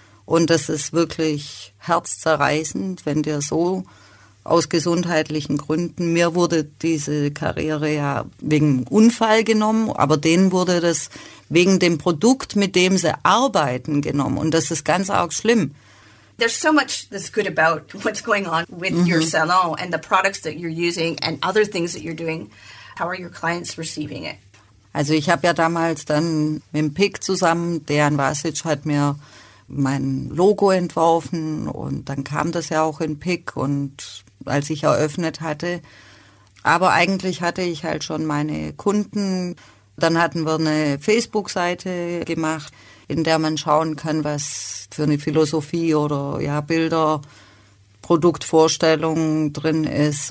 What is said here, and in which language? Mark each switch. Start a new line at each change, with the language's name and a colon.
German: Und das ist wirklich herzzerreißend, wenn dir so aus gesundheitlichen Gründen, mir wurde diese Karriere ja wegen Unfall genommen, aber denen wurde das wegen dem Produkt, mit dem sie arbeiten, genommen. Und das ist ganz arg schlimm.
English: There's so much that's good about what's going on with your salon and the products that you're using and other things that you're doing. How are your clients receiving it?
German: Also ich habe ja damals dann mit dem Pick zusammen, Dejan Vasic hat mir mein Logo entworfen und dann kam das ja auch in Pick und als ich eröffnet hatte. Aber eigentlich hatte ich halt schon meine Kunden. Dann hatten wir eine Facebook-Seite gemacht, in der man schauen kann, was für eine Philosophie oder ja Bilder, Produktvorstellung drin ist.